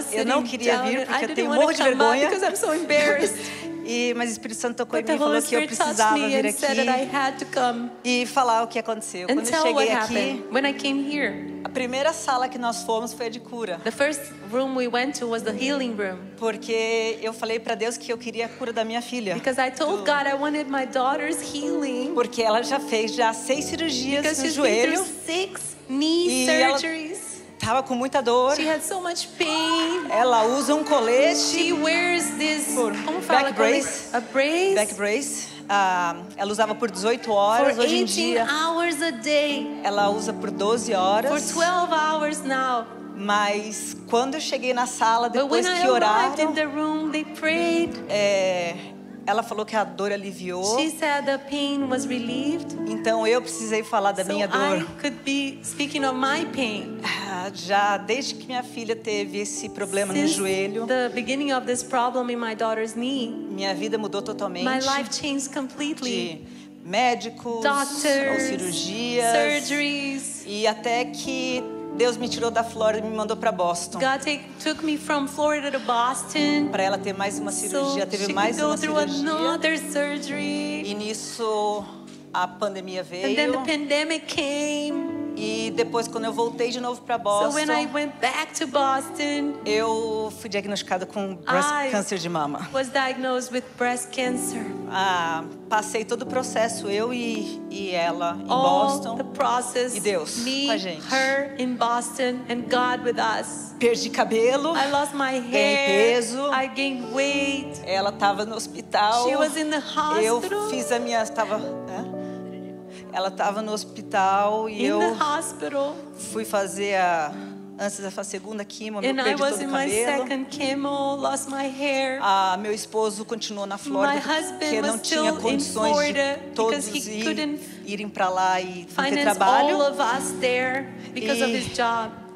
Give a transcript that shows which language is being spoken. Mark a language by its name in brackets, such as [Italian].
[Portuguese] Eu não queria vir porque eu tenho um monte de vergonha. [English] Because I'm so embarrassed. [Portuguese] Mas o Espírito Santo tocou em mim e falou que eu precisava vir aqui e falar o que aconteceu. [English] And [Portuguese] quando eu cheguei aqui, [English] when I came here, [Portuguese] a primeira sala que nós fomos foi a de cura. [English] The first room we went to was the healing room. [Portuguese] Porque eu falei para Deus que eu queria a cura da minha filha. [English] Because I told God I wanted my daughter's healing. [Portuguese] Porque ela já fez já 6 cirurgias [English] because [Portuguese] no joelho. [English] Six knee surgeries. [Portuguese] Tava com muita dor. [English] She had so much pain. [Portuguese] Ela usa um colete. [English] She wears this back brace. A brace. Back brace. [Portuguese] Ela usava por 18 horas [English] for [Portuguese] hoje em dia. [English] Hours a day. [Portuguese] Ela usa por 12 horas. [English] For 12 hours now. [Portuguese] Mas quando eu cheguei na sala depois que oraram, [English] the room, they prayed. [Portuguese] Ela falou que a dor aliviou. [English] She said the pain was relieved. [Portuguese] Então eu precisei falar da minha dor. [English] So I could be speaking of my pain. [Portuguese] Já desde que minha filha teve esse problema [English] since [Portuguese] no joelho. [English] The beginning of this problem in my daughter's knee. [Portuguese] Minha vida mudou totalmente. [English] My life changed completely. [Portuguese] De médicos, [English] doctors, [Portuguese] cirurgias, [English] surgeries. [Portuguese] E até que Deus me tirou da Flórida e me mandou para Boston. [English] God took me from Florida to Boston. [Portuguese] Para ela ter mais uma cirurgia, [English] so [Portuguese] teve mais uma cirurgia. [English] Another surgery. [Portuguese] E nisso a pandemia veio. [English] And then the pandemic came. [Portuguese] E depois quando eu voltei de novo para Boston, [English] so when I went back to Boston, [Portuguese] eu fui diagnosticada com câncer de mama. [English] I was diagnosed with breast cancer. [Portuguese] Passei todo o processo eu e ela em [English] All [Portuguese] Boston. [English] The process, [Portuguese] e Deus me, com a gente. [English] Her in Boston and God with us. [Portuguese] Perdi cabelo. [English] I lost my hair. [Portuguese] Ganhei peso. [English] I gained weight. [Portuguese] Ela estava no hospital. [English] She was in the hospital. [Portuguese] Eu fiz a minha estava ela estava no hospital e [English] in [Portuguese] eu [English] the hospital. [Portuguese] Fui fazer a antes da segunda quimio, eu perdi todo o cabelo. [English] And I was in my second chemo, lost my hair. [Portuguese] Meu esposo continuou na Flórida porque não tinha condições de todos irem para lá e não ter trabalho. [English] All of us there because of his job.